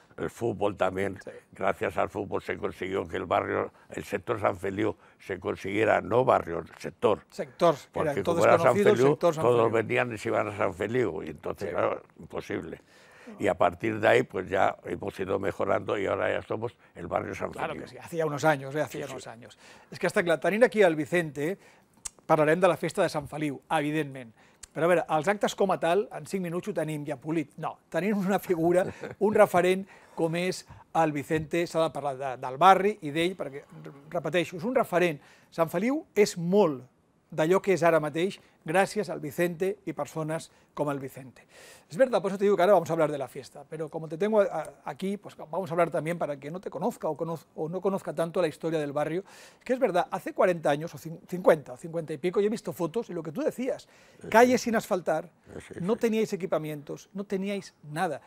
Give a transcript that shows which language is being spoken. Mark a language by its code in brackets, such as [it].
[es] El fútbol también, sí. Gracias al fútbol se consiguió que el barrio, el sector San Feliu, se consiguiera, no barrio, sector. Sector, porque era, como era San Feliu, sector San todos Feliu. Venían y se iban a San Feliu, y entonces sí. Era imposible. Y a partir de ahí, pues ya hemos ido mejorando y ahora ya somos el barrio San Feliu. Claro que sí, hacía unos años, hacía unos años. Es que hasta que [ca] tenim aquí al Vicente, parlarem de la festa de San Feliu, evidentment. Però a veure, els actes com a tal, en 5 minuts ho tenim ja polit. No, tenim una figura, un referent com és el Vicente, s'ha de parlar del barri i d'ell, perquè, repeteixo, és un referent. Sant Feliu és molt d'allò que és ara mateix gràcies al Vicente i persones com el Vicente. És veritat, per això t'ho dic, que ara [es] vamos a hablar de la fiesta, però com te tengo aquí, pues vamos a hablar también para que no te conozca o no conozca tanto la historia del barrio, que es verdad, hace 40 años, o 50, o 50 y pico, yo he visto fotos y lo que tú decías, calles sin asfaltar, no teníais equipamientos, no teníais nada.